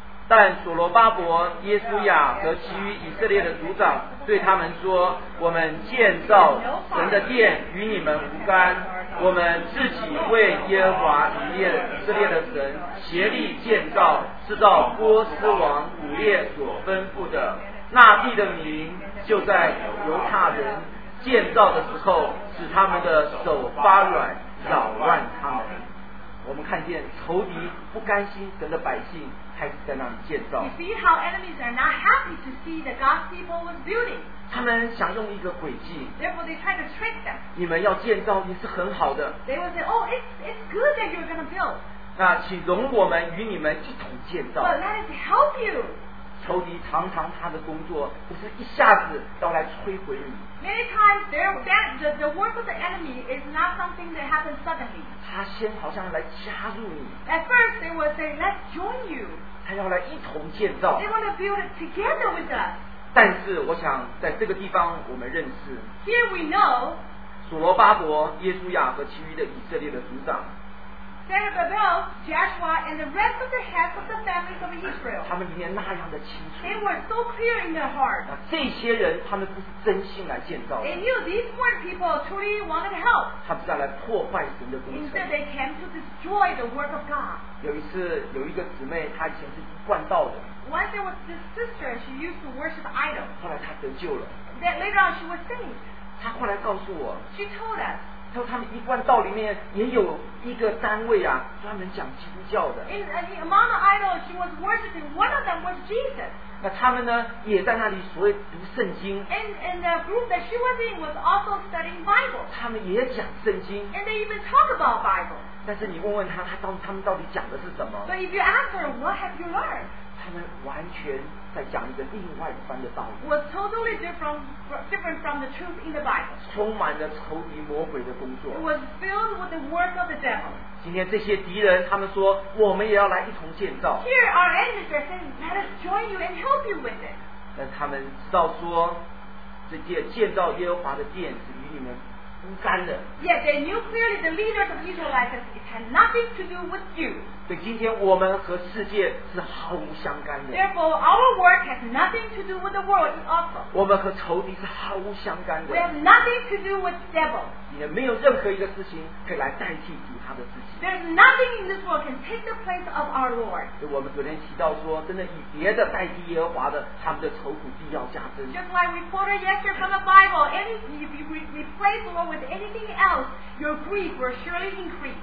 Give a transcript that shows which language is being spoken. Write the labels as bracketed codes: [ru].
[zh] 但所罗巴伯、耶稣雅和其余以色列的族长对他们说：“我们建造神的殿与你们无干，我们自己为耶和华以色列的神协力建造，是照波斯王古列所吩咐的。那地的名就在犹大人建造的时候，使他们的手发软，扰乱他们。” 我们看见仇敌不甘心神的百姓开始在那里建造。 [en] You see how enemies are not happy to see the God's people was building. [zh] 他们想用一个诡计。 [en] Therefore, they try to trick them. [zh] 你们要建造也是很好的。 [en] They will say, "Oh, it's good that you're going to build." [zh] 那请容我们与你们一同建造。 [en] But let us help you. [zh] 仇敌常常他的工作不是一下子要来摧毁你。 [en] Many times the work of the enemy is not something that happens suddenly. [zh] 他先好像来加入你。 [en] At first, they will say, "Let's join you." [zh] 他要来一同建造。 [en] They want to build it together with us. [zh] 但是我想在这个地方我们认识。 [en] Here we know. [zh] 所罗巴伯、耶稣雅和其余的以色列的族长。 [en] Zerubbabel, Joshua, and the rest of the heads of the families of Israel. [zh] 他们里面那样的清楚。 [en] They were so clear in their heart. [zh] 那这些人，他们不是真心来建造。 [en] They knew these weren't people truly wanted help. [zh] 他们是要来破坏神的工程。 [en] Instead, they came to destroy the work of God. [zh] 有一次，有一个姊妹，她以前是惯道的。 [en] Once there was this sister, she used to worship idols. [zh] 后来她得救了。 [en] Then later on, she was saved. [zh] 她后来告诉我。 [en] She told us. [zh] 他说他们一贯道里面也有一个单位啊，专门讲基督教的。 [en] Among the idols, she was worshiping. One of them was Jesus. [zh] 那他们呢，也在那里所谓读圣经。 [en] And the group that she was in was also studying Bible. [zh] 他们也讲圣经。 [en] And they even talk about Bible. [zh] 但是你问问他，他们到底讲的是什么 [en] ？But if you ask her, what have you learned? [zh] 他们完全在讲一个另外一番的道理。 [en] Was totally different from the truth in the Bible. [zh] 充满了仇敌魔鬼的工作。 [en] It was filled with the work of the devil. [zh] 今天这些敌人，他们说我们也要来一同建造。 [en] Here our enemies are saying, "Let us join you and help you with it." [zh] 但他们知道说，这些建造耶和华的殿是与你们无干的。 [en] Yet they knew clearly the leaders of Israelites it had nothing to do with you. [zh] 对，今天我们和世界是毫无相干的。 [en] Therefore, our work has nothing to do with the world also. [zh] 我们和仇敌是毫无相干的。 [en] We have nothing to do with the devil. [zh] 也没有任何一个事情可以来代替主他的事情。 [en] There's nothing in this world can take the place of our Lord. [zh] 对，我们昨天提到说，真的以别的代替耶和华的，他们的愁苦必要加增。 [en] Just like we quoted yesterday from the Bible, if you replace the Lord with anything else, your grief will surely increase.